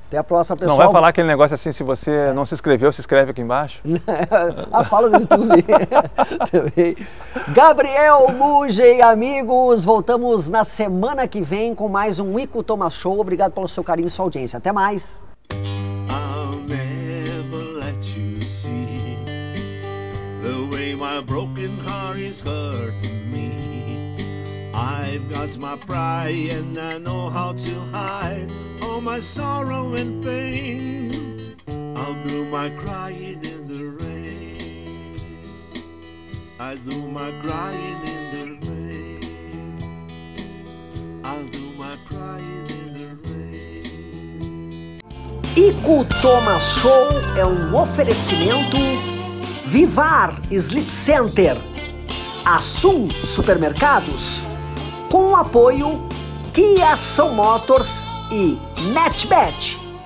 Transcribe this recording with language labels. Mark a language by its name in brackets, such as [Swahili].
[Portuguese] Até a próxima, pessoal. Não vai falar aquele negócio assim, se você não se inscreveu, se inscreve aqui embaixo. Ah, fala no YouTube também. Gabriel Mugi, amigos, voltamos na semana que vem com mais um Ico Thomas Show. Obrigado pelo seu carinho e sua audiência. Até mais. [English] I'll never let you see the way my broken heart is hurting me. I've got my pride and I know how to hide my sorrow and pain. I'll do my crying in the rain. I do my crying in the rain. I'll do my crying in the rain. [Portuguese] Ico Thomas Show é um oferecimento Vivar Sleep Center, Assum Supermercados, com o apoio Kia São Motors e NetBet.